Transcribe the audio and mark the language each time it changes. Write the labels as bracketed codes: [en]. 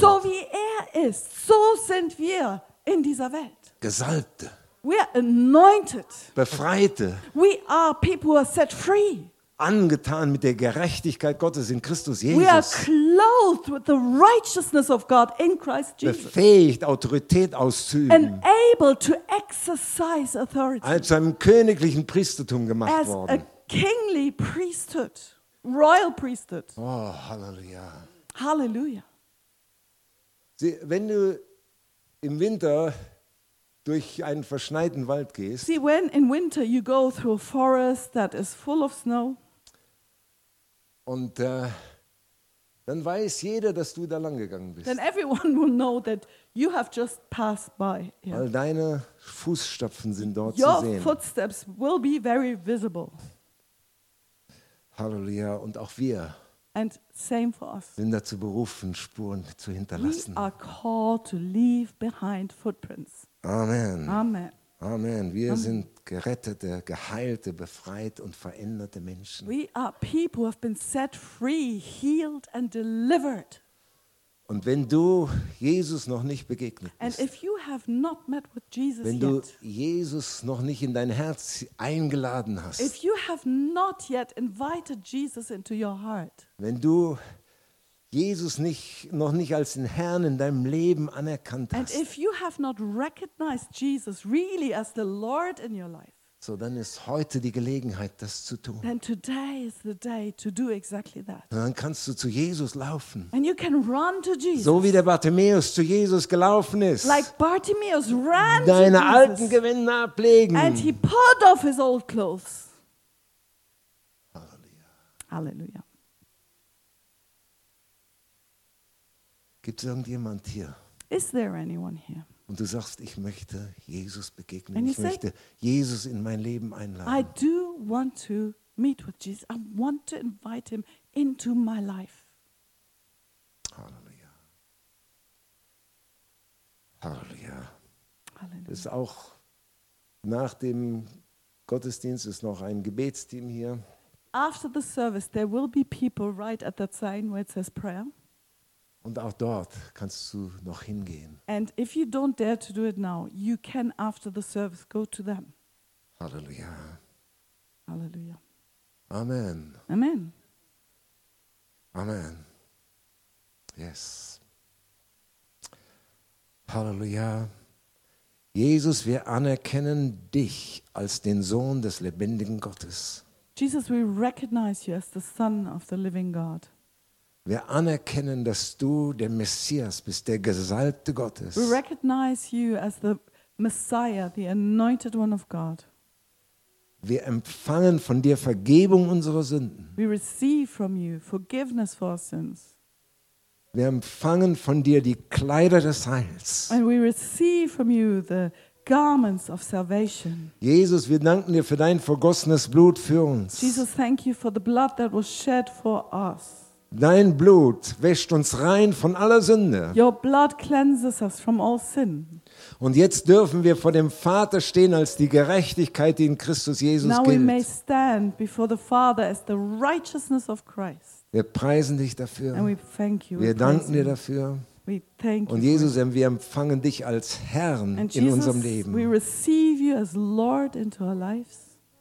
[de] So wie er ist, so sind wir in dieser Welt. Gesalbte. [en] We are anointed. [de] Befreite. [en] We are people who are set free. [de] Angetan mit der Gerechtigkeit Gottes in Christus Jesus. [en] We are clothed with the righteousness of God in Christ Jesus. [de] Befähigt, Autorität auszuüben. [en] And able to exercise authority. [de] Als einem königlichen Priestertum gemacht [en] as [de] worden. [en] As a kingly priesthood. Royal priesthood. [de] Oh, Halleluja. [en] Halleluja. [de] See, wenn du im Winter durch einen verschneiten Wald gehst. [en] See, when in winter you go through a forest that is full of snow. [de] Und dann weiß jeder, dass du da lang gegangen bist. [en] Then everyone will know that you have just passed by. Yeah. [de] Weil deine Fußstapfen sind dort [en] your [de] zu sehen. [en] Your footsteps will be very visible. [de] Halleluja, und auch wir [en] and same for us. [de] Sind dazu berufen, Spuren zu hinterlassen. [en] We are called to leave behind footprints. [de] Amen. [en] Amen. [de] Amen. Wir Amen. Sind gerettete, geheilte, befreit und veränderte Menschen. [en] We are people who have been set free, healed and delivered. [de] Und wenn du Jesus noch nicht begegnet bist, [en] and if you have not met with Jesus [de] wenn du [en] yet, [de] Jesus noch nicht in dein Herz eingeladen hast, [en] if you have not yet invited Jesus into your heart, [de] wenn du Jesus nicht, noch nicht als den Herrn in deinem Leben anerkannt hast, [en] and if you have not recognized Jesus really as the Lord in your life, [de] so dann ist heute die Gelegenheit, das zu tun. [en] Then today is the day to do exactly that. [de] Und dann kannst du zu Jesus laufen. [en] And you can run to Jesus. [de] So wie der Bartimäus zu Jesus gelaufen ist. [en] Like Bartimäus ran to Jesus. [de] Deine alten Gewänder ablegen. [en] And he put off his old clothes. [de] Halleluja. [en] Halleluja. [de] Gibt es irgendjemand hier? [en] Is there anyone here? [de] Und du sagst, ich möchte Jesus begegnen. Ich möchte Jesus in mein Leben einladen. [en] I do want to meet with Jesus. I want to invite him into my life. [de] Halleluja. [en] Halleluja. [de] Halleluja. Es ist auch nach dem Gottesdienst ist noch ein Gebetsteam hier. [en] After the service, there will be people right at that sign where it says prayer. [de] Und auch dort kannst du noch hingehen. [en] And if you don't dare to do it now, you can after the service go to them. [de] Halleluja. [en] Halleluja. [de] Amen. [en] Amen. Amen. Yes. [de] Halleluja. Jesus, wir anerkennen dich als den Sohn des lebendigen Gottes. [en] Jesus, we recognize you as the Son of the living God. [de] Wir anerkennen, dass du der Messias bist, der Gesalbte Gottes. [en] We recognize you as the Messiah, the anointed one of God. [de] Wir empfangen von dir Vergebung unserer Sünden. [en] We receive from you forgiveness for our sins. [de] Wir empfangen von dir die Kleider des Heils. [en] And we receive from you the garments of salvation. [de] Jesus, wir danken dir für dein vergossenes Blut für uns. [en] Jesus, thank you for the blood that was shed for us. [de] Dein Blut wäscht uns rein von aller Sünde. [en] Your blood cleanses us from all sin. [de] Und jetzt dürfen wir vor dem Vater stehen als die Gerechtigkeit, die in Christus Jesus [en] now [de] gilt. [en] We may stand before the Father as the righteousness of Christ. [de] Wir preisen dich dafür. [en] And we thank you. [de] Wir danken dir dafür. [en] We thank you. [de] Und Jesus, wir empfangen dich als Herrn [en] and [de] in unserem Leben. [en] We receive you as Lord into our lives.